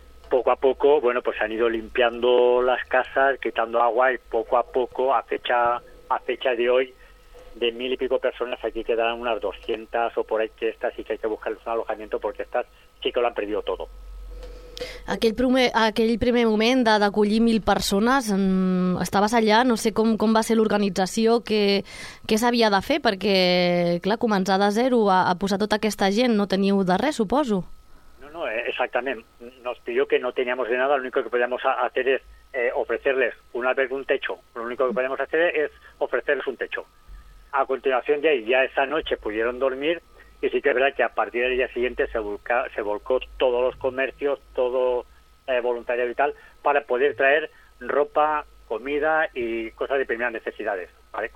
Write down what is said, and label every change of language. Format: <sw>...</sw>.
<es>Poco a poco, bueno, pues han ido limpiando las casas, quitando agua y poco a poco, a fecha de hoy, de 1.000 y pico personas, aquí quedarán unas 200 o por ahí que estas sí que hay que buscarles un alojamiento porque estas sí que lo han perdido todo.</es> <ca>Aquell primer moment d'acollir 1.000 persones, estaves allà, no sé com va ser l'organització, què s'havia de fer, perquè, clar, començar de zero a posar tota aquesta gent, no teníeu de res, suposo. No, exactament.</ca> <es>Nos pidió que no teníamos de nada, lo único que podíamos hacer es ofrecerles un albergue, un techo. Lo único que podíamos hacer es ofrecerles un techo. A continuación de ahí, ya esa noche pudieron dormir. Y sí que es verdad que a partir del día siguiente se volcó todos los comercios, todo voluntariado y tal, para poder traer ropa, comida y cosas de primeras necesidades, ¿vale?</es>